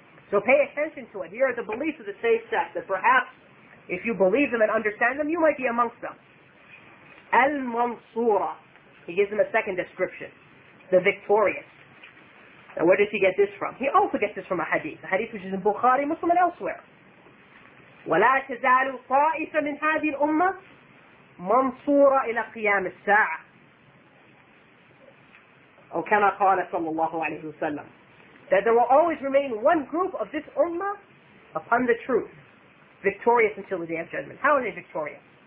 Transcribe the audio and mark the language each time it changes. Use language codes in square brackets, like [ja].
[en] So pay attention to it. Here are the beliefs of the saved sect, that perhaps if you believe them and understand them, you might be amongst them. Al-Mansura. He gives him a second description. The victorious. Now where does he get this from? He also gets this from a hadith. A hadith which is in Bukhari, Muslim, and elsewhere. [ar] وَلَا تَزَالُ طَائِفَ مِنْ هَذِي الْأُمَّةِ مَنْصُورَ إِلَى قِيَامِ السَّاعَةِ أو كما قال صلى الله عليه وسلم. [en] That there will always remain one group of this ummah upon the truth, victorious until the Day of Judgment. How are they victorious?